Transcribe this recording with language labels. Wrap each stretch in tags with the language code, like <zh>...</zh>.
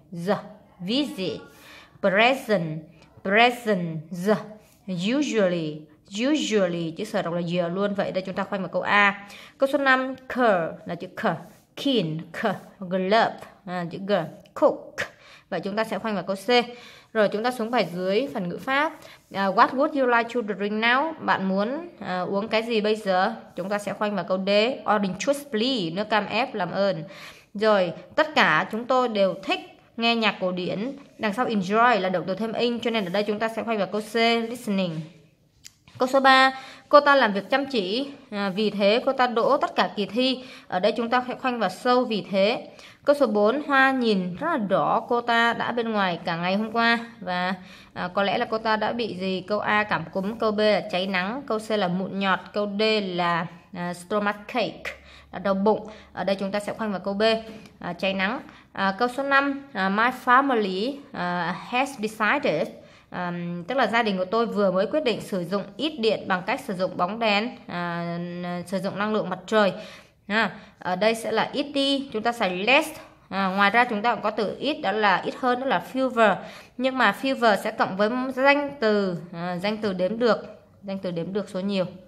<en>Z, visit. Present, present, Z. Usually, usually,</en> <vi>chữ S đọc là Y luôn. Vậy đây chúng ta khoanh vào câu A. Câu số 5, cur, là chữ K. Keen, K. Glove, chữ G. Cook. Vậy chúng ta sẽ khoanh vào câu C. Rồi chúng ta xuống bài dưới phần ngữ pháp.</vi> <en>What would you like to drink now?</en> <vi>Bạn muốn uống cái gì bây giờ? Chúng ta sẽ khoanh vào câu D.</vi> <en>Orange juice please.</en> <vi>Nước cam ép làm ơn. Rồi tất cả chúng tôi đều thích nghe nhạc cổ điển. Đằng sau enjoy là động từ thêm ing, cho nên ở đây chúng ta sẽ khoanh vào câu C. Listening. Câu số 3, cô ta làm việc chăm chỉ, vì thế cô ta đỗ tất cả kỳ thi. Ở đây chúng ta sẽ khoanh vào sâu vì thế. Câu số 4, hoa nhìn rất là đỏ, cô ta đã bên ngoài cả ngày hôm qua. Và có lẽ là cô ta đã bị gì? Câu A, cảm cúm. Câu B là cháy nắng. Câu C là mụn nhọt. Câu D là stomachache, là đau bụng. Ở đây chúng ta sẽ khoanh vào câu B, cháy nắng. Câu số 5,</vi> <en>my family has decided.</en> <vi>Tức là gia đình của tôi vừa mới quyết định sử dụng ít điện bằng cách sử dụng bóng đèn, sử dụng năng lượng mặt trời. Ở đây sẽ là ít đi, chúng ta xài less. Ngoài ra chúng ta cũng có từ ít, đó là ít hơn, đó là fewer. Nhưng mà fewer sẽ cộng với danh từ đếm được số nhiều.</vi>